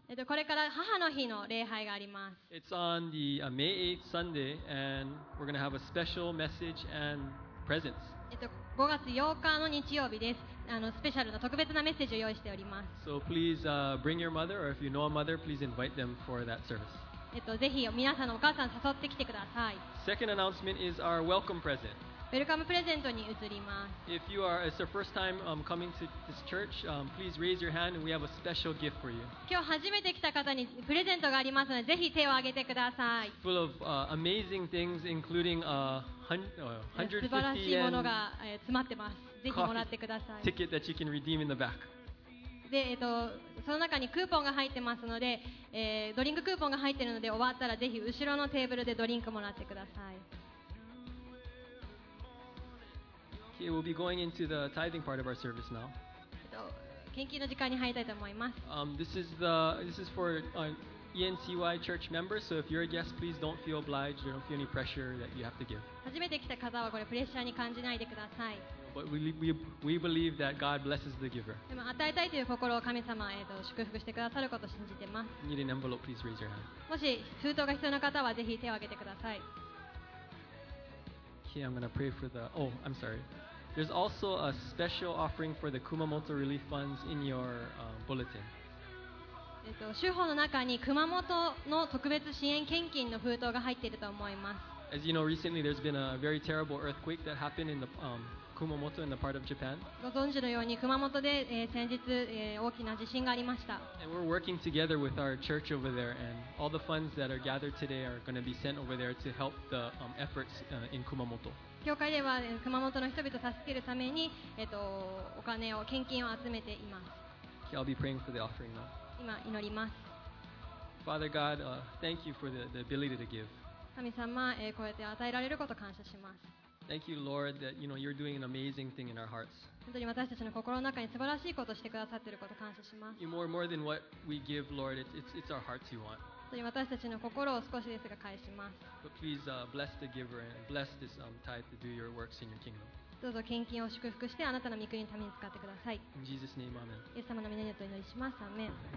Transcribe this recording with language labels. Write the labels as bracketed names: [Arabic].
[Japanese] これから母の日の礼拝があります。 [English] It's on the May 8th Sunday, and we're going to have a special message and presents. [Japanese] 5月8日の日曜日です。スペシャルな特別なメッセージを用意しております。 [English] So please bring your mother, or if you know a mother, please invite them for that service. [Japanese] ぜひ皆さんのお母さん誘ってきてください。 [English] Second announcement is our welcome present. [Japanese] ウェルカムプレゼントに移ります。 [English] If you are it's your first time coming to this church, please raise your hand and we have a special gift for you. [Japanese] 今日初めて来た方にプレゼントがありますので、ぜひ手を挙げてください。 [English] Full of amazing things, including [Japanese] $150 素晴らしいものが詰まってます。ぜひもらってください。 [English] Ticket that you can redeem in the back. [Japanese] でその中にクーポンが入ってますので、ドリンククーポンが入っているので終わったらぜひ後ろのテーブルでドリンクもらってください。 [English] Okay, we'll be going into the tithing part of our service now. [Japanese] 献金の時間に入りたいと思います。 [English] This is for ENCY church members, so if you're a guest, please don't feel obliged or don't feel any pressure that you have to give. [Japanese] 初めて来た方はこれプレッシャーに感じないでください。 [English] But we believe that God blesses the giver. [Japanese] でも与えたいという心を神様祝福してくださることを信じてます。 [English] You need an envelope, please raise your hand. [Japanese] もし封筒が必要な方はぜひ手を挙げてください。 [English] Okay, I'm gonna pray for the. Oh, I'm sorry. There's also a special offering for the Kumamoto relief funds in your bulletin. [Japanese] 収報の中に熊本の特別支援献金の封筒が入っていると思います。 [English] As you know, recently there's been a very terrible earthquake that happened in the Kumamoto in the part of Japan. [Japanese] ご存知のように熊本で先日大きな地震がありました。 [English] And we're working together with our church over there, and all the funds that are gathered today are going to be sent over there to help the efforts in Kumamoto. [Japanese] 教会では熊本の人々を助けるためにお金を献金を集めています。 [English] Okay, I'll be praying for the offering now. [Japanese] 今祈ります。 [English] Father God, thank you for the ability to give. [Japanese] 神様、こうやって与えられることを感謝します。 [English] Thank you, Lord, that you know you're doing an amazing thing in our hearts. [Japanese] 本当に私たちの心の中に素晴らしいことをしてくださっていることを感謝します。 [English] You more than what we give, Lord, it's our hearts you want. [Japanese] 本当に私たちの心を少しですが返します。 [English] But please bless the giver and bless this tithe to do your works in your kingdom. [Japanese] どうぞ献金を祝福してあなたの御国のために使ってください。 [English] In Jesus name, amen. [Japanese] イエス様の御名によってお祈りします。アーメン。